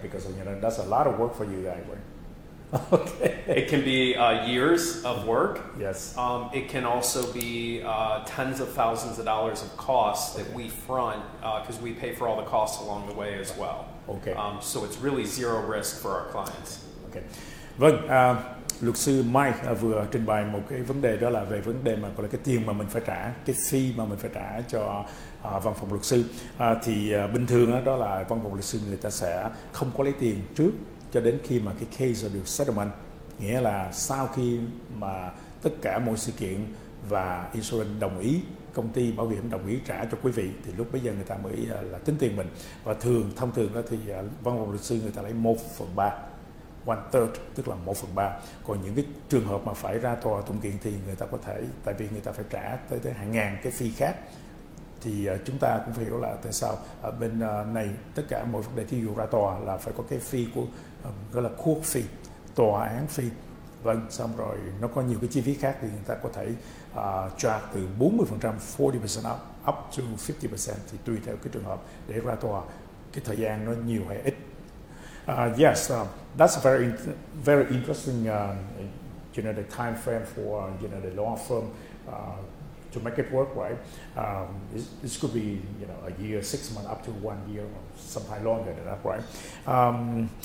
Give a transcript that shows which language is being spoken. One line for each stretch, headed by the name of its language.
English: Because, you know, that's a lot of work for you guys, right? Okay. It can be years of work. Yes. It can also be tens of thousands of dollars of costs that okay. we front because we pay for all the costs along the way as well. Okay. So it's really zero risk for our clients. Okay.
Vietnamese: Vâng, luật sư Mike vừa trình bày một cái vấn đề, đó là về vấn đề mà gọi là cái tiền mà mình phải trả, cái fee mà mình phải trả cho văn phòng luật sư. Thì bình thường đó là văn phòng luật sư người ta sẽ không có lấy tiền trước, cho đến khi mà cái case được settlement, nghĩa là sau khi mà tất cả mọi sự kiện và insurance đồng ý, công ty bảo hiểm đồng ý trả cho quý vị, thì lúc bây giờ người ta mới là tính tiền mình. Và thường thông thường đó thì văn phòng luật sư người ta lấy 1/3,
English: one third,
Vietnamese: tức là một phần ba. Còn những cái trường hợp mà phải ra tòa tụng kiện thì người ta có thể, tại vì người ta phải trả tới tới hàng ngàn cái fee khác. Thì chúng ta cũng phải hiểu là tại sao ở bên này tất cả mọi vấn đề thí dụ ra tòa là phải có cái fee của gọi là court fee, tòa án fee. Vâng, xong rồi nó có nhiều cái chi phí khác thì người ta có thể charge từ 40%, 40% up, up to 50%, thì tùy theo cái trường hợp để ra tòa cái thời gian nó nhiều hay ít.
English: Yes, that's very very interesting, you know, the time frame for, you know, the law firm to make it work, right? This could be, you know, a year, 6 months, up to 1 year, or sometime longer than that, right?